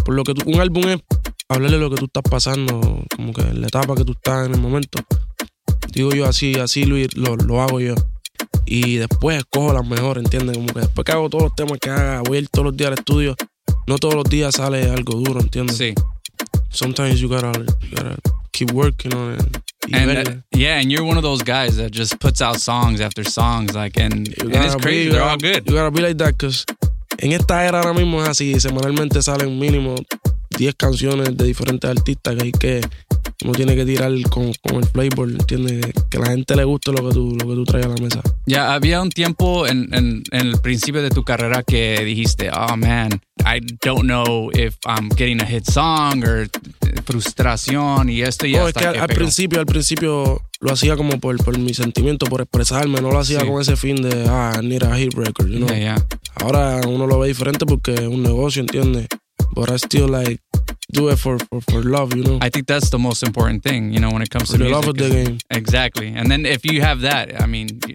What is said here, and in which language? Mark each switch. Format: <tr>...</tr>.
<es>Por lo que un álbum es hablarle lo que tú estás pasando, como que la etapa que tú estás en el momento. Digo yo así lo hago yo. Y después escojo las mejores, ¿entiendes? Como que después que hago todos los temas que haga, voy a ir todos los días al estudio. No todos los días sale algo duro, ¿entiendes? Sí.</es> <en>Sometimes you gotta keep working on it. And you're one of those guys that just puts out songs after songs, like, and it's crazy. They're all good. You gotta be like that, cause</en> <es>en esta era ahora mismo es así. Semanalmente salen mínimo 10 canciones de diferentes artistas que hay que uno tiene que tirar con el playboard, ¿entiendes? Que la gente le guste lo que tú traes a la mesa. Ya, yeah, había un tiempo en el principio de tu carrera que dijiste,</es> <en>oh man, I don't know if I'm getting a hit song or</en> <es>frustración y esto y no, hasta es que que al principio lo hacía como por mi sentimiento, por expresarme, no lo hacía con ese fin de,</es> <en>I need a hit record, you know? Yeah, yeah.</en> <es>Ahora uno lo ve diferente porque es un negocio, ¿entiendes?</es> <en>But I still like do it for love, you know. I think that's the most important thing, you know, when it comes to music. For the love of the game. Exactly. And then if you have that, I mean,</en>